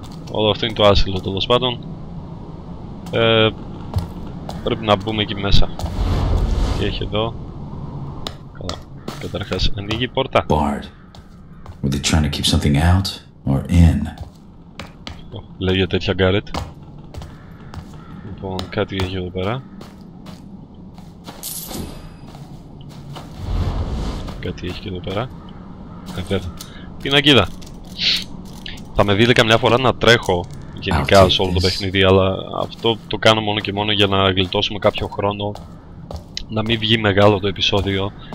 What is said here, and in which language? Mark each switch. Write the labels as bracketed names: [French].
[Greek] Όλο αυτό είναι το άσυλο τέλος πάντων. Πρέπει να μπούμε εκεί μέσα. Τι έχει εδώ? Καλά. Καταρχάς ανοίγει η πόρτα. [English] Bard. Were they trying to keep something out or in? [Greek] Λέγε τέτοια Garrett. Λοιπόν, κάτι έχει εδώ πέρα. Κάτι έχει και εδώ πέρα. Καθέρα. Πινακίδα. Θα με δείτε καμιά φορά να τρέχω γενικά σε όλο το παιχνίδι, αλλά αυτό το κάνω μόνο και μόνο για να γλιτώσουμε κάποιο χρόνο, να μην βγει μεγάλο το επεισόδιο.